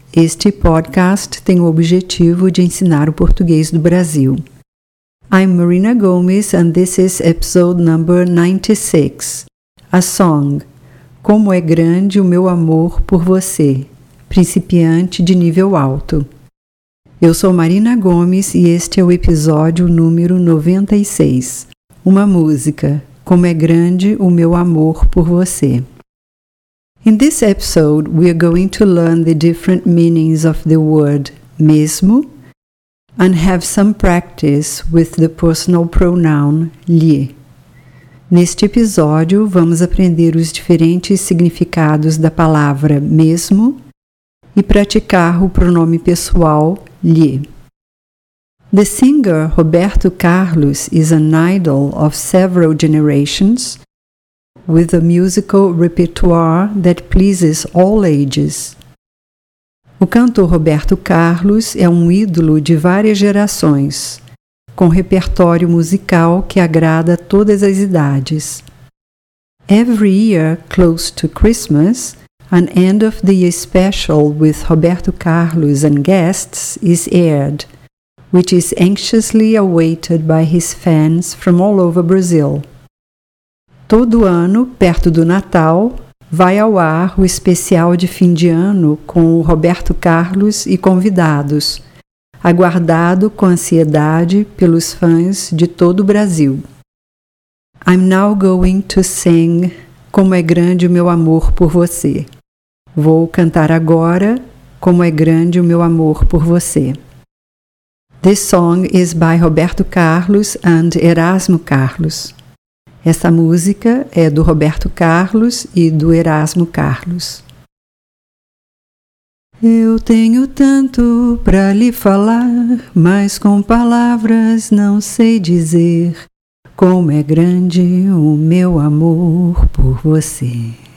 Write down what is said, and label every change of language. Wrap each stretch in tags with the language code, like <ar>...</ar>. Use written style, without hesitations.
<pt>Este podcast tem o objetivo de ensinar o português do Brasil.</pt> <en>I'm Marina Gomes and this is episode number 96. A song.</en> <pt>Como é grande o meu amor por você. Principiante de nível alto. Eu sou Marina Gomes e este é o episódio número 96. Uma música, Como é Grande o Meu Amor por Você.</pt> <en>In this episode, we are going to learn the different meanings of the word mesmo and have some practice with the personal pronoun lhe.</en> <pt>Neste episódio, vamos aprender os diferentes significados da palavra mesmo e praticar o pronome pessoal lhe.</pt> <en>The singer Roberto Carlos is an idol of several generations with a musical repertoire that pleases all ages.</en> <pt>O cantor Roberto Carlos é um ídolo de várias gerações, com repertório musical que agrada todas as idades.</pt> <en>Every year, close to Christmas, an end-of-the-year special with Roberto Carlos and guests is aired, which is anxiously awaited by his fans from all over Brazil.</en> <pt>Todo ano, perto do Natal, vai ao ar o especial de fim de ano com o Roberto Carlos e convidados, aguardado com ansiedade pelos fãs de todo o Brasil.</pt> <en>I'm now going to sing Como é Grande o Meu Amor por Você.</en> <pt>Vou cantar agora Como é Grande o Meu Amor por Você.</pt> <en>This song is by Roberto Carlos and Erasmo Carlos.</en> <pt>Essa música é do Roberto Carlos e do Erasmo Carlos. Eu tenho tanto pra lhe falar, mas com palavras não sei dizer como é grande o meu amor por você.</pt>